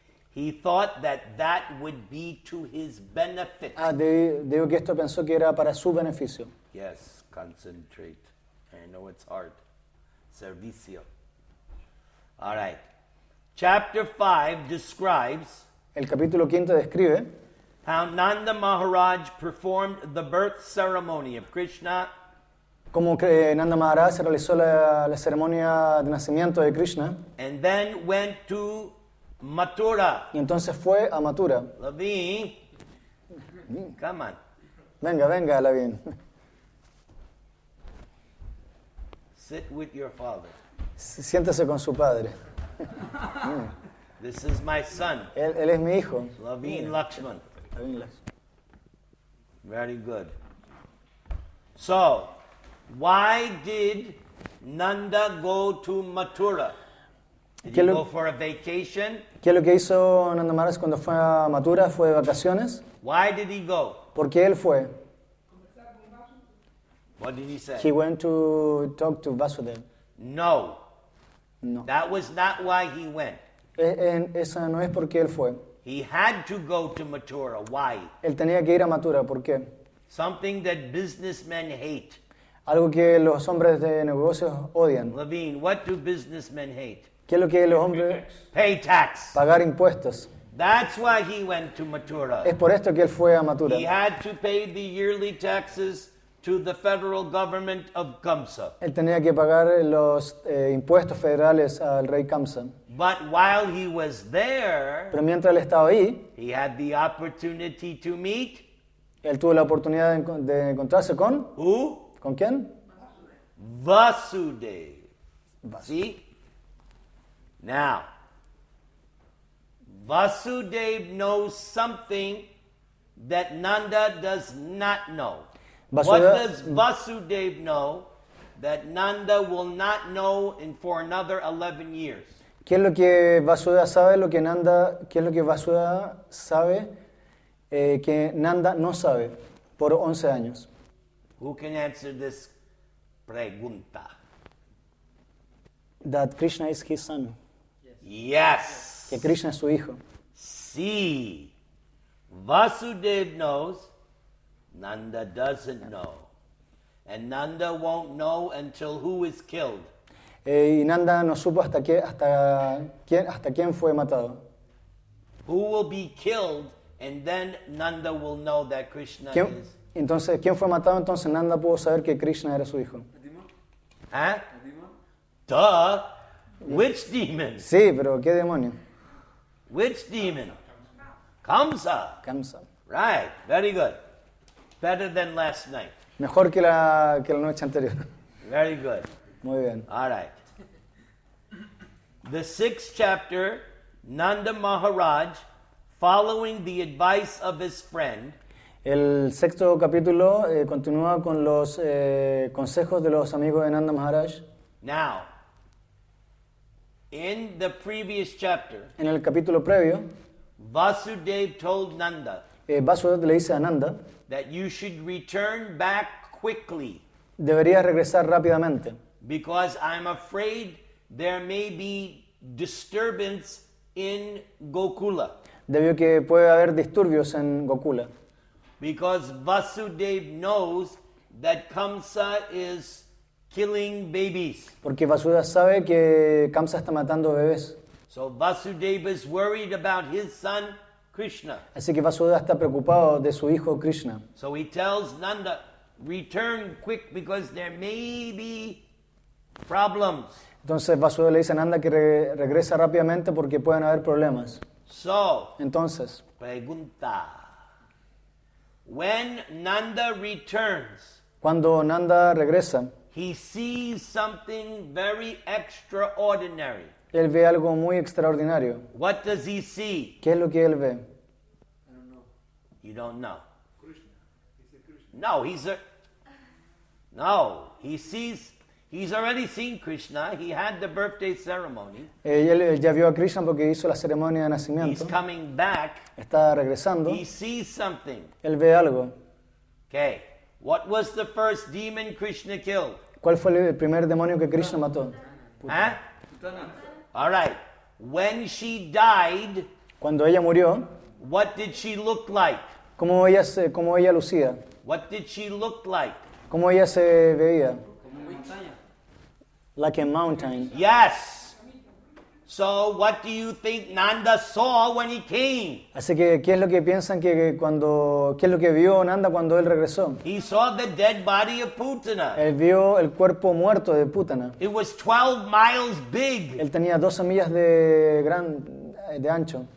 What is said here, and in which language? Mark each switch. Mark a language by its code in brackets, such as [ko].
[en] He thought that that would be to his benefit. [es] Ah, digo que esto pensó que era para su beneficio. [en] Yes, concentrate. I know it's hard. Servicio. All right. Chapter 5 describes [es] el capítulo quinto describe [en] how Nanda Maharaj performed the birth ceremony of Krishna. [es] Como que Nanda Maharaj realizó la ceremonia de nacimiento de Krishna. [en] And then went to Mathura. [es] Y entonces fue a Mathura. [en] Lavin. Come on. [es] Venga, venga, Lavin. [en] Sit with your father. [es] Siéntese con su padre. [en] This is my son. [es] Él es mi hijo. Lavin Lakshman. Lavin Lakshman. [en] Very good. So, why did Nanda go to Mathura? Did he go for a vacation? [es] ¿Qué es lo que hizo Nanda Maharaj cuando fue a Mathura? ¿Fue de vacaciones? [en] Why did he go? [es] ¿Por qué él fue? [en] What did he say? He went to talk to Vasudev. No. [es] No. [en] That was not why he went. [es] Esa no es por qué él fue. [en] He had to go to Mathura. Why? [es] Él tenía que ir a Mathura. ¿Por qué? [en] Something that businessmen hate. [es] Algo que los hombres de negocios odian. [en] Lavin, what do businessmen hate? [es] ¿Qué es lo que los hombres? [en] Pay tax. [es] Pagar impuestos. [en] That's why he went to Mathura. [es] Es por esto que él fue a Mathura. [en] He had to pay the yearly taxes to the federal government of Kamsa. [es] Él tenía que pagar los impuestos federales al rey Kamsa. [en] But while he was there, [es] pero mientras él estaba ahí, [en] he had the opportunity to meet. [es] Él tuvo la oportunidad de encontrarse con. [en] Who? [es] ¿Con quién? [en] Vasudeva. See? Now, Vasudeva knows something that Nanda does not know. What does Vasudeva know that Nanda will not know in for another 11 years? [es] ¿Qué es lo que Vasudeva sabe, lo que Nanda, qué es lo que Vasudeva sabe que Nanda no sabe por 11 años? [en] Who can answer this pregunta? That Krishna is his son. Yes. [es] Que Krishna es su hijo. Sí. [en] Vasudev knows, Nanda doesn't know. And Nanda won't know until who is killed. [es] Y Nanda no supo hasta quién fue matado. [en] Who will be killed and then Nanda will know that Krishna is. [es] Entonces, ¿quién fue matado? Entonces Nanda pudo saber que Krishna era su hijo. [en] ¿Ah? Duh. Which demon? [es] Sí, pero ¿qué demonio? [en] Which demon? Kamsa. Kamsa. Right, very good. Better than last night. [es] Mejor que la noche anterior. [en] Very good. [es] Muy bien. [en] All right. The sixth chapter, Nanda Maharaj, following the advice of his friend. [es] El sexto capítulo continúa con los consejos de los amigos de Nanda Maharaj. [en] Now, in the previous chapter, [es] en el capítulo previo, [en] Vasudev told Nanda, [es] Vasudev le dice a Nanda [en] that you should return back quickly. [es] Debería regresar rápidamente. [en] Because I'm afraid there may be disturbance in Gokula. [es] Debido a que puede haber disturbios en Gokula. [en] Because Vasudev knows that Kamsa is killing babies. [es] Porque Vasudeva sabe que Kamsa está matando bebés. [en] So Vasudev is worried about his son Krishna. [es] Así que Vasudeva está preocupado de su hijo Krishna. [en] So he tells Nanda, return quick because there may be problems. [es] Entonces Vasudeva le dice a Nanda que regresa rápidamente porque pueden haber problemas. [en] So, [es] entonces, [en] pregunta. When Nanda returns, [es] cuando Nanda regresa, [en] he sees something very extraordinary. [es] Él ve algo muy extraordinario. [en] What does he see? [es] ¿Qué es lo que él ve? [en] I don't know. You don't know. Krishna. He said Krishna. No, he's already seen Krishna. He had the birthday ceremony. [es] Él ya vio a Krishna porque hizo la ceremonia de nacimiento. [en] He's coming back. [es] Está regresando. [en] He sees something. [es] Él ve algo. [en] Okay. What was the first demon Krishna killed? [es] ¿Cuál fue el primer demonio que Krishna mató? [en] ¿Ah? All right. When she died, [es] cuando ella murió, [en] what did she look like? [es] ¿Cómo ella lucía? [en] What did she look like? [es] ¿Cómo ella se veía? [en] Like a mountain. Yes. So what do you think Nanda saw when he came? [es] Así que ¿qué es lo que piensan que cuando qué es lo que vio Nanda cuando él regresó? [en] He saw the dead body of Putana. [es] Él vio el cuerpo muerto de Putana. [en] It was 12 miles big. [es] Él tenía 12 millas de gran de ancho.